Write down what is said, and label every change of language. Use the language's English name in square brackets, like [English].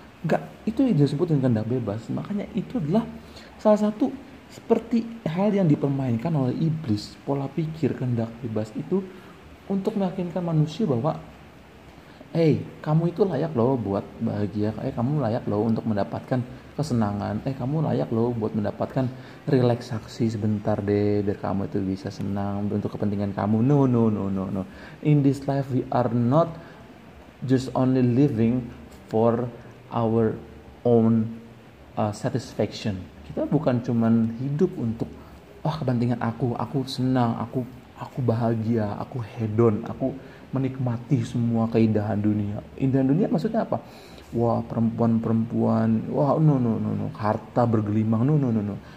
[Indonesian] Enggak, itu yang disebut dengan kehendak bebas. Makanya itu adalah salah satu seperti hal yang dipermainkan oleh iblis, pola pikir kehendak bebas itu untuk meyakinkan manusia bahwa kamu itu layak loh buat bahagia, kamu layak loh untuk mendapatkan kesenangan, kamu layak loh buat mendapatkan relaksasi sebentar deh biar kamu itu bisa senang untuk kepentingan kamu. [English] No. In this life we are not just only living for our own satisfaction. [Indonesian] Kita bukan cuman hidup untuk kepentingan aku senang, aku bahagia, aku hedon, aku menikmati semua keindahan dunia. Indahan dunia maksudnya apa? Wah, perempuan-perempuan, wah no, harta bergelimang, no.